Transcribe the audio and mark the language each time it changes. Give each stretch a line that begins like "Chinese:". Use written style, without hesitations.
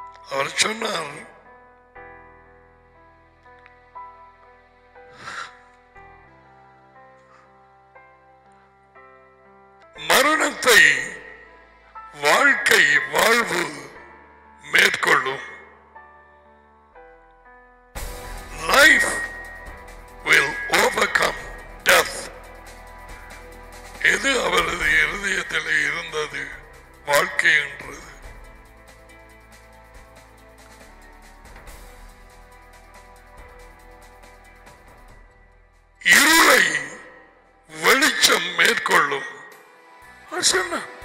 Tamil: அவர் சொன்னார், மரணத்தை வாழ்க்கை வாழ்வு மேற்கொள்ளும்.
English: Life will overcome death.
Tamil: எது அவரது இருதயத்தில் இருந்தது வாழ்க்கை என்றது. இருளை வெளிச்சம் மேற்கொள்ளும் சொன்ன.